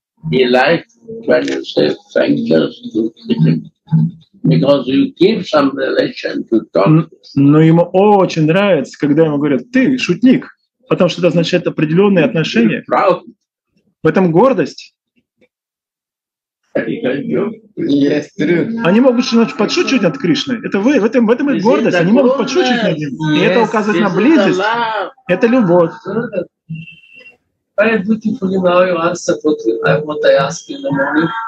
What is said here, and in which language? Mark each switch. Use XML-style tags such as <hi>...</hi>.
<en>He like when you say thank you to him, because you give some relation to God.</en> <ru>Но ему очень нравится, когда ему говорят: ты шутник, потому что это означает определенные отношения. В этом гордость.</ru> <en>Yes, true.</en> <ru>Они могут начать подшучивать над Кришной. Это вы, в этом и гордость. Они могут подшучивать над ним. И это указывает на близость. Это любовь.</ru> <en>Very beautifully now you answer what I asked in the morning.</en>